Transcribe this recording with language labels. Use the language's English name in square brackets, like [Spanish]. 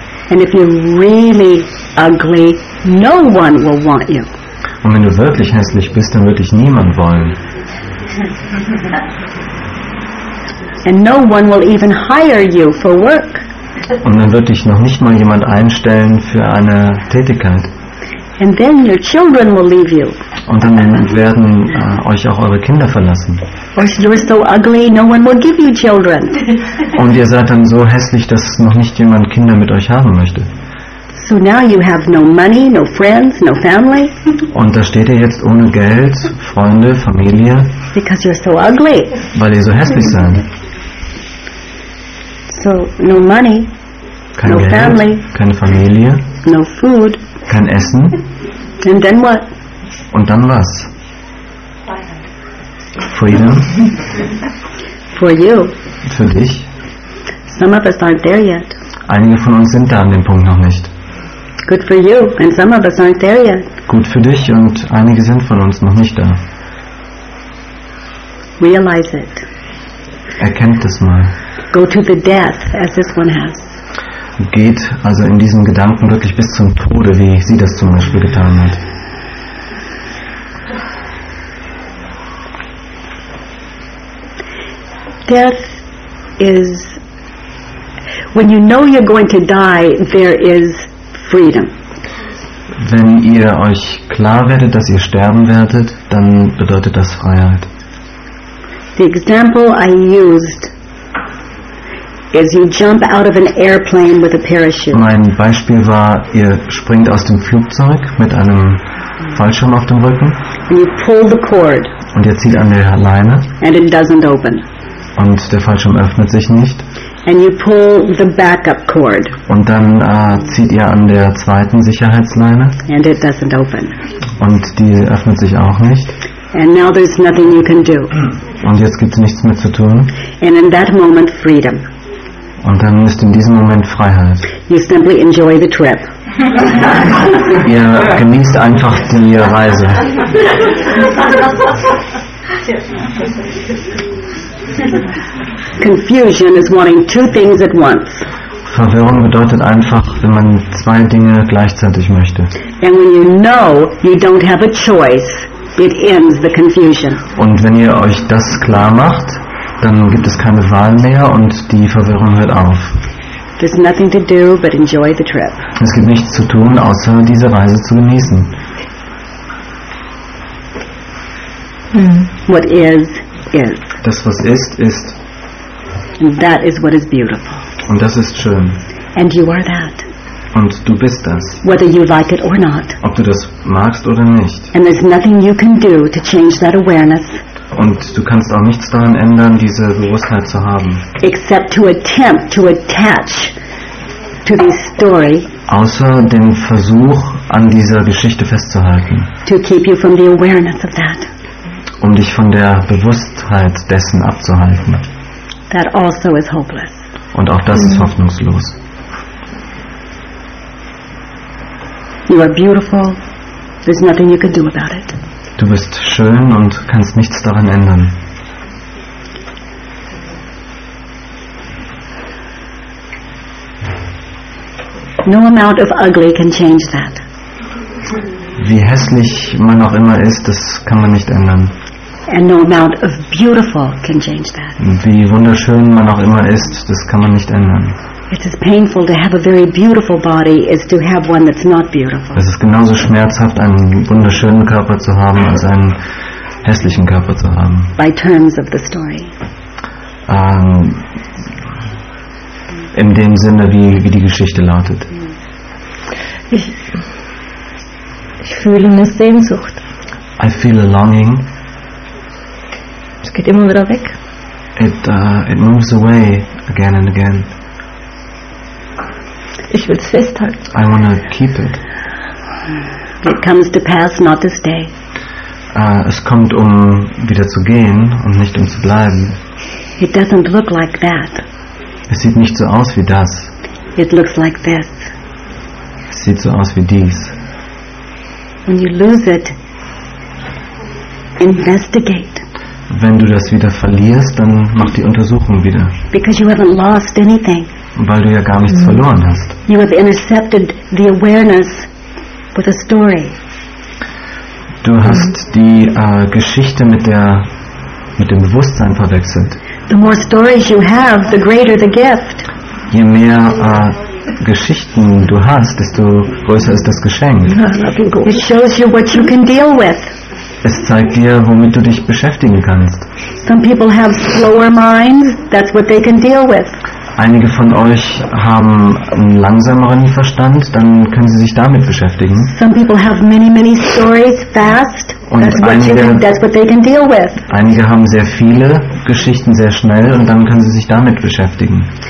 [English] And if you're really ugly, no one will want you. [German] Und wenn du wirklich hässlich bist, dann wird dich niemand wollen. [English] And no one will even hire you for work. [German] Und dann wird dich noch nicht mal jemand einstellen für eine Tätigkeit. [English] And then your children will leave you. [German] Und dann werden euch auch eure Kinder verlassen. [English] You're so ugly, no one will give you children. [German] Und ihr seid dann so hässlich, dass noch nicht jemand Kinder mit euch haben möchte. [English] So now you have no money, no friends, no family. [German] Und da steht ihr jetzt ohne Geld, Freunde, Familie. [English] Because you're so ugly. [German] Weil ihr so hässlich seid. [English] So no money, [German] kein [English] no [German] Geld, [English] family, [German] keine Familie, [English] no food, [German] kein Essen. [English] And then what? [German] Und dann was? [English] Freedom. For you. [German] Für dich. [English] Some of us aren't there yet. [German] Einige von uns sind da an dem Punkt noch nicht. [English] Good for you, and some of us aren't there yet. [German] Gut für dich und einige sind von uns noch nicht da. [English] Realize it. [German] Erkennt es mal. [English] Go to the death, as this one has. [German] Geht also in diesen Gedanken wirklich bis zum Tode, wie sie das zum Beispiel getan hat. [English] Death is when you know you're going to die, there is freedom. [German] Wenn ihr euch klar werdet, dass ihr sterben werdet, dann bedeutet das Freiheit. [English] The example I used is you jump out of an airplane with a parachute. [German] Mein Beispiel war, ihr springt aus dem Flugzeug mit einem Fallschirm auf dem Rücken. [English] And you pull the cord. [German] Und ihr zieht an der Leine. [English] And it doesn't open. [German] Und der Fallschirm öffnet sich nicht. [English] And you pull the backup cord. [German] Und dann zieht ihr an der zweiten Sicherheitsleine. [English] And it doesn't open. [German] Und die öffnet sich auch nicht. [English] And now there's nothing you can do. [German] Und jetzt gibt's nichts mehr zu tun. [English] And in that moment, freedom. [German] Und dann ist in diesem Moment Freiheit. [English] You simply enjoy the trip. [German] Ihr genießt einfach die Reise. [English] Confusion is wanting two things at once. [German] Verwirrung bedeutet einfach, wenn man zwei Dinge gleichzeitig möchte. [English] And when you know you don't have a choice, it ends the confusion. [German] Und wenn ihr euch das klar macht, dann gibt es keine Wahl mehr und die Verwirrung hört auf. [English] There's nothing to do but enjoy the trip. [German] Es gibt nichts zu tun, außer diese Reise zu genießen. [English] What is, is. [German] Das, was ist, ist. [English] And that is what is beautiful. [German] Und das ist schön. [English] And you are that. [German] Und du bist das. [English] Whether you like it or not. [German] Ob du das magst oder nicht. [English] And there's nothing you can do to change that awareness. [German] Und du kannst auch nichts daran ändern, diese Bewusstheit zu haben. [English] Except to attempt to attach to the story. [German] Außer den Versuch, an dieser Geschichte festzuhalten. [English] To keep you from the awareness of that. [German] Um dich von der Bewusstheit dessen abzuhalten. [English] That also is hopeless. [German] Und auch das ist hoffnungslos. [English] You are beautiful. There's nothing you can do about it. [German] Du bist schön und kannst nichts daran ändern. [English] No amount of ugly can change that. [German] Wie hässlich man auch immer ist, das kann man nicht ändern. [English] And no amount of beautiful can change that. [German] Wie wunderschön man auch immer ist, das kann man nicht ändern. [English] It's as painful to have a very beautiful body as to have one that's not beautiful. [German] Es ist genauso schmerzhaft, einen wunderschönen Körper zu haben, als einen hässlichen Körper zu haben. [English] By terms of the story. [German] In dem Sinne, wie die Geschichte lautet. Ich fühle eine Sehnsucht. [English] I feel a longing. [German] Es geht immer wieder weg. [English] It moves away again and again. [German] Ich will es festhalten. [English] I want to keep it. It comes to pass, not to stay. [German] Es kommt, um wieder zu gehen und nicht um zu bleiben. [English] It doesn't look like that. [German] Es sieht nicht so aus wie das. [English] It looks like this. [German] Es sieht so aus wie dies. [English] When you lose it, investigate. [German] Wenn du das wieder verlierst, dann mach die Untersuchung wieder. [English] Because you haven't lost anything. [German] Weil du ja gar nichts verloren hast. [English] You have intercepted the awareness with a story. [German] Du hast die Geschichte mit dem Bewusstsein verwechselt. [English] The more stories you have, the greater the gift. [German] Je mehr Geschichten du hast, desto größer ist das Geschenk. [English] It shows you what you can deal with. [German] Es zeigt dir, womit du dich beschäftigen kannst. [English] Some people have slower minds. That's what they can deal with. [German] Einige von euch haben einen langsameren Verstand, dann können Sie sich damit beschäftigen. [English] Some people have many, many stories fast. [German] Einige haben sehr viele Geschichten sehr schnell und dann können Sie sich damit beschäftigen.